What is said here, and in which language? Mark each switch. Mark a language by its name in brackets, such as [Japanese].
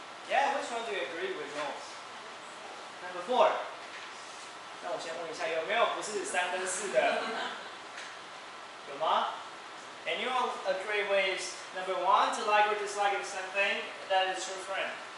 [English] Yeah, which one do you agree with most? Number four. [Chinese] 那我先问一下，有没有不是三跟四的？有吗？ [English] Anyone agree with number one, to like or dislike of something that is true friend?